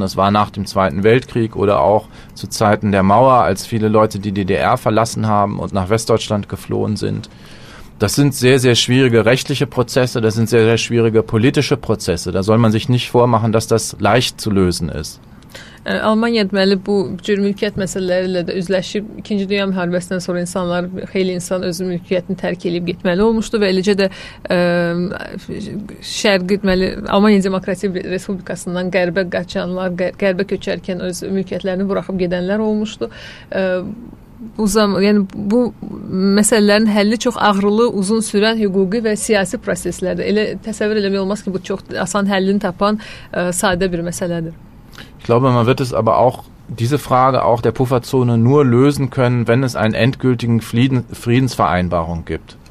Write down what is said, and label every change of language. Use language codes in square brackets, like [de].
[de] Das war nach dem Zweiten Weltkrieg oder auch zu Zeiten der Mauer, als viele Leute die DDR verlassen haben und nach Westdeutschland geflohen sind. Das sind sehr, sehr schwierige rechtliche Prozesse, das sind sehr, sehr schwierige politische Prozesse. Da soll man sich nicht vormachen, dass das leicht zu lösen ist. [az] Almanya deməli bu cür mülkiyyət məsələləri ilə də üzləşib, İkinci Dünya müharibəsindən sonra insanlar, xeyli insan öz mülkiyyətini tərk edib getməli olmuşdu və eləcə də şərq deməli Almanya Demokratik Respublikasından qərbə qaçanlar, qərbə köçərkən öz mülkiyyətlərini buraxıb gedənlər olmuşdu. Bu zaman, yəni bu məsələlərin həlli çox ağrılı, uzun sürən hüquqi və siyasi proseslərdir. Elə təsəvvür eləmək olmaz ki, bu çox asan həllini tapan sadə bir məsələdir. [de] Ich glaube, man wird es aber auch diese Frage auch der Pufferzone nur lösen können, wenn es einen endgültigen Friedensvereinbarung gibt.